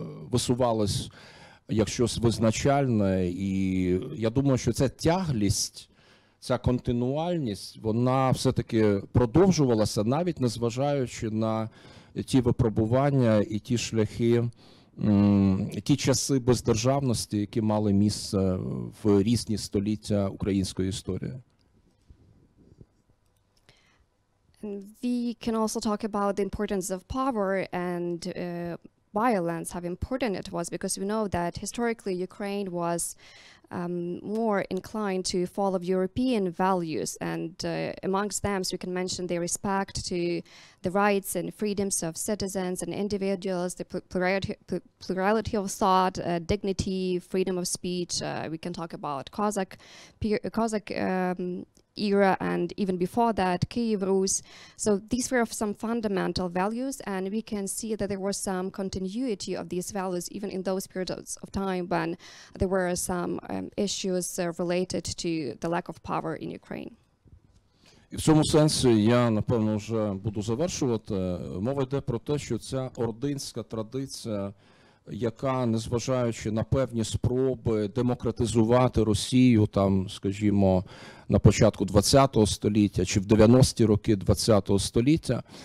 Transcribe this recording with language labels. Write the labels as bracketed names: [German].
[Ukrainian] висувались як щось визначальне, і я думаю, що ця тяглість, ця континуальність, вона все-таки продовжувалася, навіть незважаючи на ті випробування і ті шляхи, ті часи бездержавності, які мали місце в різні століття української історії. [English] We can also talk about the importance of power and violence, how important it was, because we know that historically Ukraine was more inclined to follow European values, and amongst them we can mention the respect to the rights and freedoms of citizens and individuals, the plurality of thought, dignity, freedom of speech. We can talk about Cossack era, and even before that, Kiev Rus. So these were some fundamental values, and we can see that there was some continuity of these values even in those periods of time when there were some issues related to the lack of power in Ukraine. [Ukrainian] І в цьому сенсі я, напевно, вже буду завершувати. Мова йде про те, що ця ординська традиція, яка, незважаючи на певні спроби демократизувати Росію, там, скажімо, на початку ХХ століття чи в 90-ті роки ХХ століття,